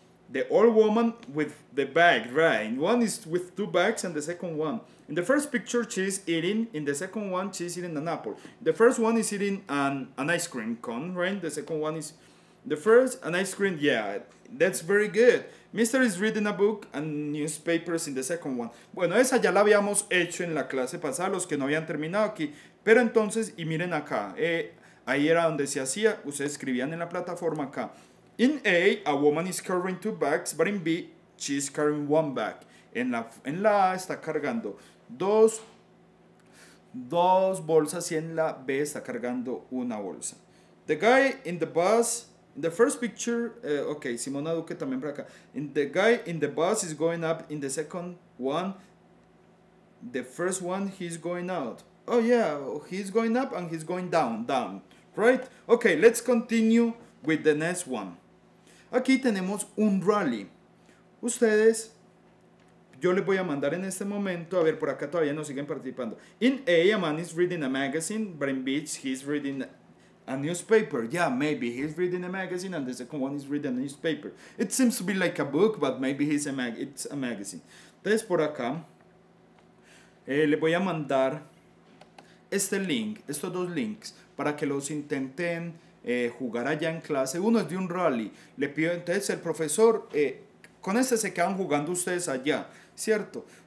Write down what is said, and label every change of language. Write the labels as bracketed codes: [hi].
[en] The old woman with the bag, right? One is with two bags, and the second one. In the first picture, she's eating. In the second one, she's eating an apple. The first one is eating an ice cream cone, right? The second one is... The first, an ice cream, yeah, that's very good. Mister is reading a book and newspapers in the second one. [es] Bueno, esa ya la habíamos hecho en la clase pasada, los que no habían terminado aquí. Pero entonces, y miren acá, ahí era donde se hacía, ustedes escribían en la plataforma acá. [en] In A, a woman is carrying two bags, but in B, she's carrying one bag. [es] En la A está cargando dos bolsas y en la B está cargando una bolsa. [en] The guy in the bus... In the first picture, Simona Duque [es] también para acá. [en] In the guy in the bus is going up. In the second one, the first one, he's going out. Oh, yeah, he's going up and he's going down, right? Okay, let's continue with the next one. [es] Aquí tenemos un rally. Ustedes, yo les voy a mandar en este momento, a ver, por acá todavía no siguen participando. [en] In A, a man is reading a magazine, but in Beach, he's reading... A newspaper, yeah, maybe he's reading a magazine and the second one is reading a newspaper. It seems to be like a book, but maybe it's a magazine. [es] Entonces, por acá, le voy a mandar este link, estos dos links, para que los intenten jugar allá en clase. Uno es de un rally. Le pido, entonces, el profesor, con este se quedan jugando ustedes allá, ¿cierto?